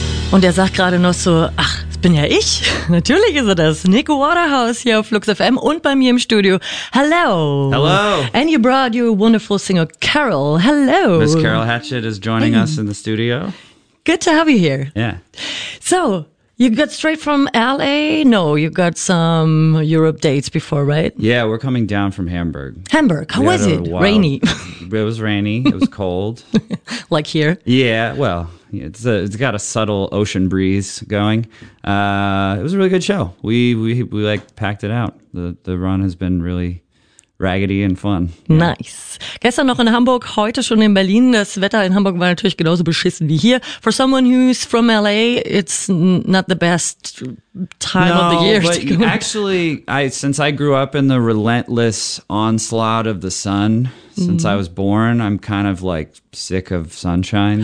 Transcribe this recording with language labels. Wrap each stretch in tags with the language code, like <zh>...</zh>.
<de>Und er sagt gerade noch so, ach, das bin ja ich. Natürlich ist er das. Nick Waterhouse hier auf Flux FM und bei mir im Studio.</de> <en>Hello. Hello. And you brought your wonderful singer Carol. Hello. Miss Carol Hatchett is joining us in the studio. Good to have you here. Yeah. So, you got straight from LA? No, you got some Europe dates before, right? Yeah, we're coming down from Hamburg. Hamburg. How was it? Rainy. It was rainy. It was cold. Like here? Yeah, well, it's got a subtle ocean breeze going. It was a really good show. We like packed it out. The run has been really raggedy and fun. Yeah. Nice.</en> <de>Gestern noch in Hamburg, heute schon in Berlin. Das Wetter in Hamburg war natürlich genauso beschissen wie hier.</de> <en>For someone who's from LA, it's not the best time of the year. No, but actually, since I grew up in the relentless onslaught of the sun, since I was born, I'm kind of like sick of sunshine.</en>